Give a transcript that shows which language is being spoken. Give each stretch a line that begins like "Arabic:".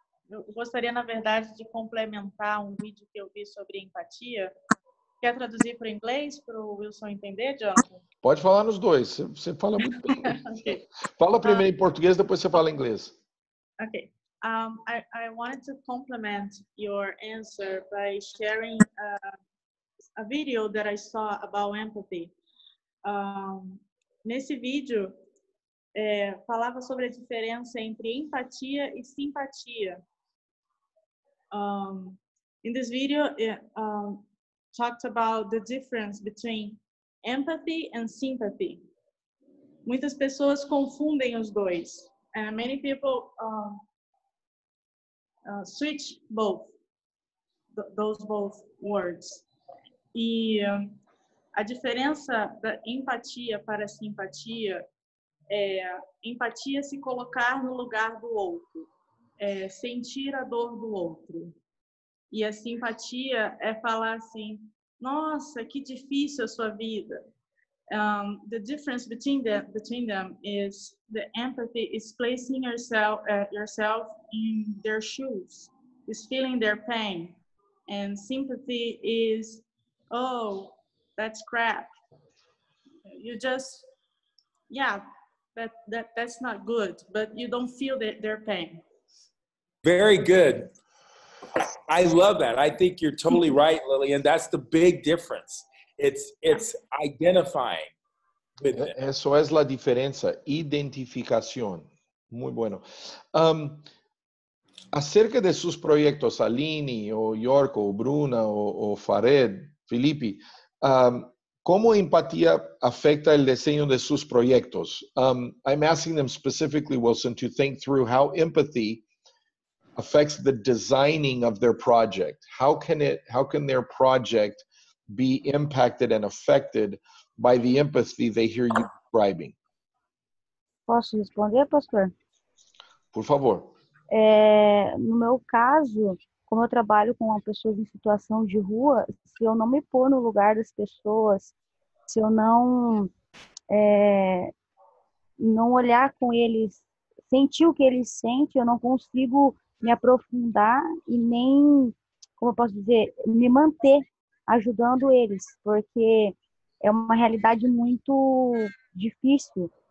Portuguese: Eu gostaria, na verdade, de complementar um vídeo que eu vi sobre empatia. Quer traduzir para o inglês, para o Wilson entender, Jonathan? Pode falar nos dois, você fala muito bem. Okay. Fala primeiro em português, depois você fala em inglês. Ok.
English: I wanted to complement your answer by sharing a video that I saw about empathy.
Portuguese: Nesse vídeo, falava sobre a diferença entre empatia e simpatia.
English: In this video, it talked about the difference between empathy and sympathy.
Portuguese: Muitas pessoas confundem os dois.
English: And many people switch both, those both words.
Portuguese: E a diferença da empatia para simpatia é empatia se colocar no lugar do outro, é sentir a dor do outro. E a simpatia é falar assim, nossa, que difícil a sua vida.
English: The difference between them is the empathy is placing yourself in their shoes, is feeling their pain, and sympathy is, oh, that's crap. You just, yeah, that's not good, but you don't feel their pain. Very good. I love that. I think you're totally right, Lillian. That's the big difference. It's identifying with it.
Spanish: Eso es la diferencia. Identificación. Muy bueno. Acerca de sus proyectos, Aline, o York, o Bruna, o Farid, Felipe, ¿cómo empatía afecta el diseño de sus proyectos?
English: I'm asking them specifically, Wilson, to think through how empathy affects the designing of their project. How can their project be impacted and affected by the empathy they hear you describing?
Portuguese: Posso responder, pastor? Por favor. No meu caso, como eu trabalho com pessoas em situação de rua, se eu não me pôr no lugar das pessoas, se eu não olhar com eles, sentir o que eles sentem, eu não consigo me aprofundar e nem, como eu posso dizer, me manter ajudando eles, porque é uma realidade muito difícil.